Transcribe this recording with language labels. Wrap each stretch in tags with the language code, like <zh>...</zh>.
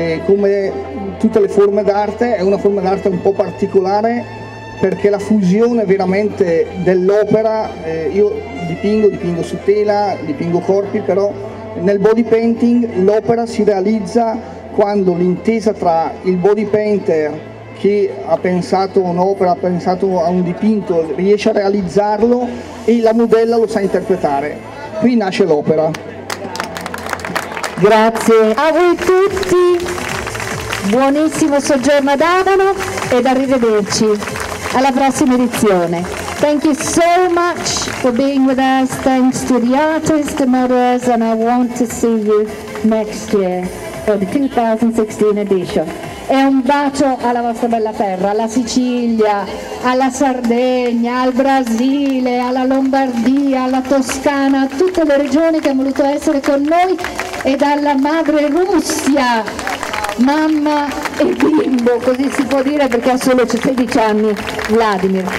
<it>Come tutte le forme d'arte, è una forma d'arte un po' particolare, perché la fusione veramente dell'opera, io dipingo su tela, dipingo corpi, però nel body painting l'opera si realizza quando l'intesa tra il body painter che ha pensato un'opera, ha pensato a un dipinto, riesce a realizzarlo e la modella lo sa interpretare. Qui nasce l'opera. Grazie a voi tutti, buonissimo soggiorno ad Avano ed arrivederci alla prossima edizione.</it> <en>Thank you so much for being with us, thanks to the artists, the models, and I want to see you next year for the 2016 edition.</en> <it>E un bacio alla vostra bella terra, alla Sicilia, alla Sardegna, al Brasile, alla Lombardia, alla Toscana, a tutte le regioni che hanno voluto essere con noi, e dalla madre Russia, mamma e bimbo, così si può dire perché ha solo 16 anni, Vladimir.</it>